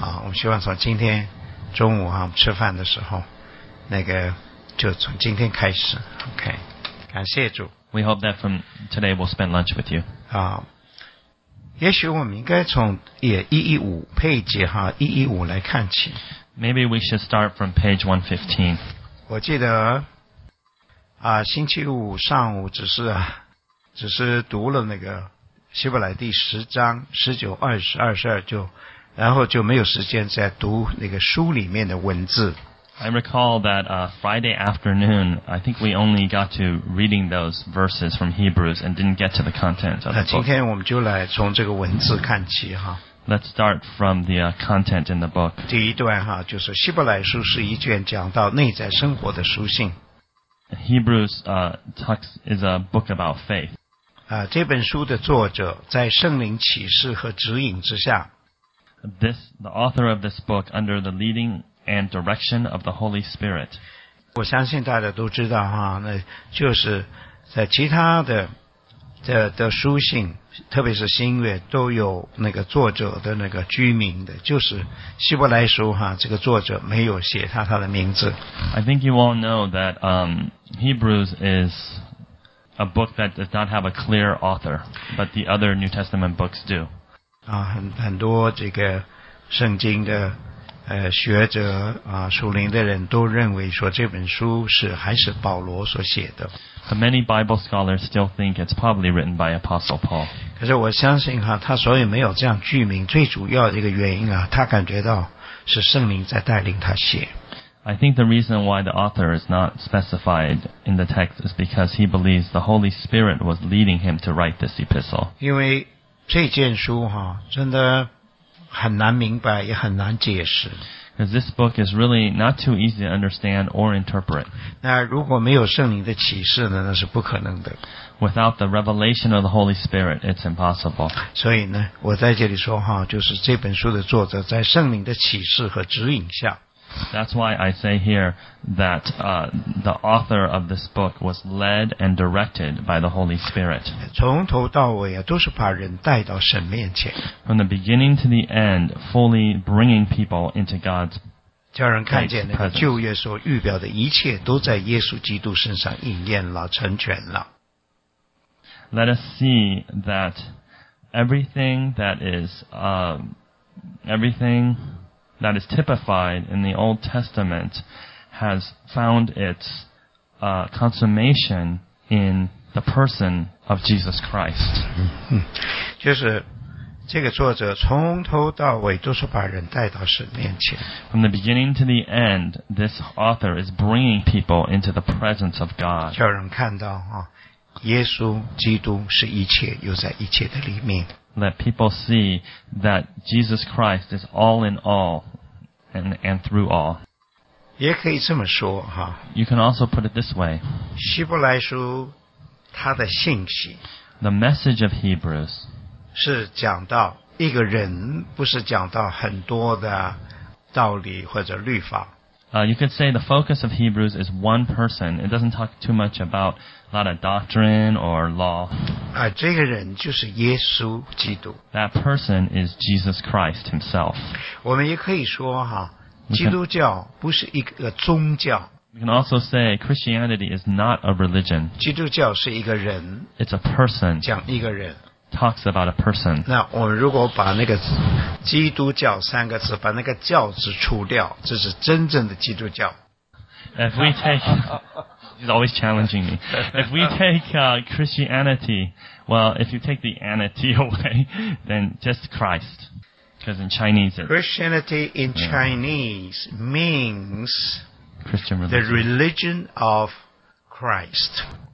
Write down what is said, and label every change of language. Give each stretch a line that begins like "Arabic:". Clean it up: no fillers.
Chinese: 好我们希望从今天中午我们吃饭的时候那个就从今天开始 OK 感谢主
English: we hope that from today we'll spend lunch with you
Chinese: 好也许我们应该从也115配节哈115来看起
English: maybe we should start from page 115
Chinese: 我记得星期五上午只是读了那个希伯来第十章十九二十二十二就然后就没有时间再读那个书里面的文字
English: I recall that Friday afternoon I think we only got to reading those verses from Hebrews and didn't get to the content of the book
Chinese: 今天我们就来从这个文字看起哈
English: Let's start from the content in the book
Chinese: 第一段哈就是希伯来书是一卷讲到内在生活的书信
English: Hebrews talks is a book about faith.
Chinese: 这本书的作者在圣灵启示和指引之下。
English: The author of this book under the leading and direction of the Holy Spirit.
Chinese: 我相信大家都知道哈，那就是在其他的书信，特别是新约都有那个作者的那个居名的，就是希伯来书哈，这个作者没有写他的名字。
English: I think you all know that Hebrews is a book that does not have a clear author, but the other New Testament books do.
Chinese: 很多这个圣经的学者啊，属灵的人都认为说这本书是还是保罗所写的。
English: But many Bible scholars still think it's probably written by Apostle Paul.
Chinese: 可是我相信哈，他所以没有这样具名，最主要的一个原因啊，他感觉到是圣灵在带领他写。
English: I think the reason why the author is not specified in the text is because he believes the Holy Spirit was leading him to write this epistle.
Chinese: 因为这件书哈，真的很难明白，也很难解释。
English: Because this book is really not too easy to understand or interpret.
Chinese: 那如果没有圣灵的启示呢，那是不可能的。
English: Without the revelation of the Holy Spirit, it's impossible.
Chinese: 所以呢，我在这里说哈，就是这本书的作者在圣灵的启示和指引下。
English: That's why I say here that the author of this book was led and directed by the Holy Spirit.
Chinese: 从头到尾啊，都是把人带到神面前。
English: From the beginning to the end, fully bringing people into God's presence.
Chinese: 叫人看见那个旧约所预表的一切都在耶稣基督身上应验了，成全了。
English: Let us see that everything that is everything. That is typified in the Old Testament has found its consummation in the person of Jesus Christ.
Chinese: 就是这个作者从头到尾都是把人带到神面前。
English: From the beginning to the end, this author is bringing people into the presence of God.
Chinese: 叫人看到啊，耶稣基督是一切，又在一切的里面。
English: Let people see that Jesus Christ is all in all and through all.
Chinese: 也可以这么说哈。
English: You can also put it this way.
Chinese: 希伯来书它的信息。
English: The message of Hebrews.
Chinese: 是讲到一个人，不是讲到很多的道理或者律法。
English: You could say the focus of Hebrews is one person. It doesn't talk too much about a lot of doctrine or law.
Chinese: 这个人就是耶稣基督。
English: That person is Jesus Christ himself.
Chinese: 我们也可以说哈，基督教不是一个宗教。
English: We can also say Christianity is not a religion.
Chinese: 基督教是一个人。
English: It's a person.
Chinese: 讲一个人。
English: Talks about a person.
Chinese: 那我们如果把那个基督教三个字，把那个教字除掉，这是真正的基督教。
English: If we take, he's always challenging me. If we take Christianity, well, if you take the anity away, then just Christ. Because in Chinese, Christianity in Chinese means Christian religion. The religion of Christ.